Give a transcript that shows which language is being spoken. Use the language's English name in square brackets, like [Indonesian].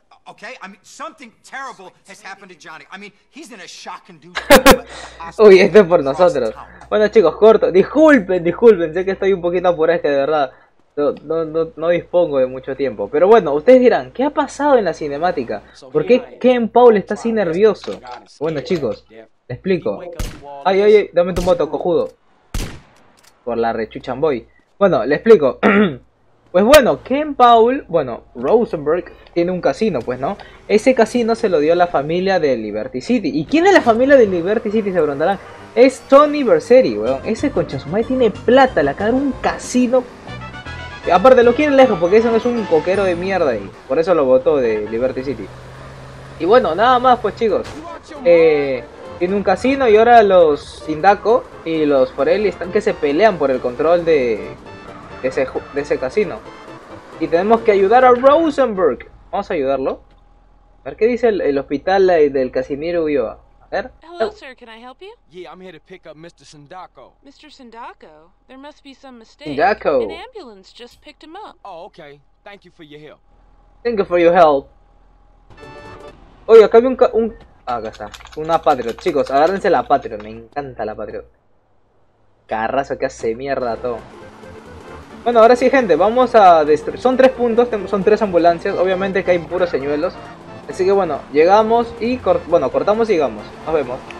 [English] Okay, I mean something terrible has happened to Johnny. I mean, he's in a shock and do. [Spanish] Uy, este es por nosotros. Bueno, chicos, corto. Disculpen, disculpen, sé que estoy un poquito apurado, es que de verdad no dispongo de mucho tiempo. Pero bueno, ustedes dirán, ¿qué ha pasado en la cinemática? ¿Por qué Ken Paul está así nervioso? Bueno, chicos, les explico. Ay, ay, ay, dame tu moto, cojudo. Por la rechuchan voy. Bueno, les explico. Pues bueno, Ken Paul, bueno, Rosenberg tiene un casino, pues, ¿no? Ese casino se lo dio la familia de Liberty City. ¿Y quién es la familia de Liberty City? Se preguntarán. Es Tony Berseri, weón. Ese conchazumay tiene plata, le acaba de dar un casino. Y aparte, lo quieren lejos porque ese no es un coquero de mierda y por eso lo votó de Liberty City. Y bueno, nada más, pues, chicos. Tiene un casino y ahora los Sindaco y los Forelli están que se pelean por el control de... De ese casino. Y tenemos que ayudar a Rosenberg. Vamos a ayudarlo. A ver qué dice el hospital del Casimiro Ulloa. A ver. [English] Hello, sir. Can I help you? Yeah, I'm here to pick up Mr. Sindaco. Mr. Sindaco? There must be some mistake. Sindaco. An ambulance just picked him up. Oh, okay. Thank you for your help. Thank you for your help. [Spanish] Oye, acá había un acá está. Una Patriot. Chicos, agárrense la Patriot. Me encanta la Patriot. Carrazo, que hace mierda todo. Bueno, ahora sí, gente, vamos a destruir. Son tres puntos, son tres ambulancias. Obviamente que hay puros señuelos. Así que bueno, llegamos y cortamos y llegamos. Nos vemos.